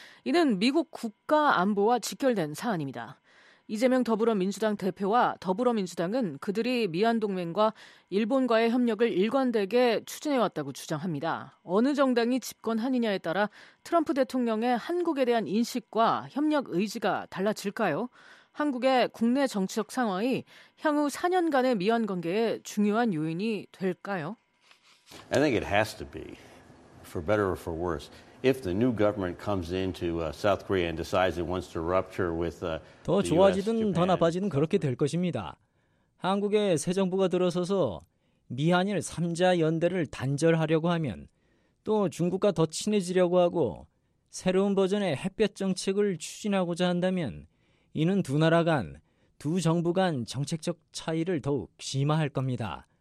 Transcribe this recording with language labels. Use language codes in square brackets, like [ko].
[ko] 이는 미국 국가 안보와 직결된 사안입니다. 이재명 더불어민주당 대표와 더불어민주당은 그들이 미한동맹과 일본과의 협력을 일관되게 추진해왔다고 주장합니다. 어느 정당이 집권하느냐에 따라 트럼프 대통령의 한국에 대한 인식과 협력 의지가 달라질까요? 한국의 국내 정치적 상황이 향후 4년간의 미한관계에 중요한 요인이 될까요? [en] I think it has to be, for better or for worse. If the new government comes into South Korea and decides it wants to rupture with the US, Japan. [ko] 더 좋아지든 더 나빠지든 그렇게 될 것입니다. 한국의 새 정부가 들어서서 미한일 3자 연대를 단절하려고 하면 또 중국과 더 친해지려고 하고 새로운 버전의 햇볕 정책을 추진하고자 한다면 이는 두 나라 간, 두 정부 간 정책적 차이를 더욱 심화할 겁니다.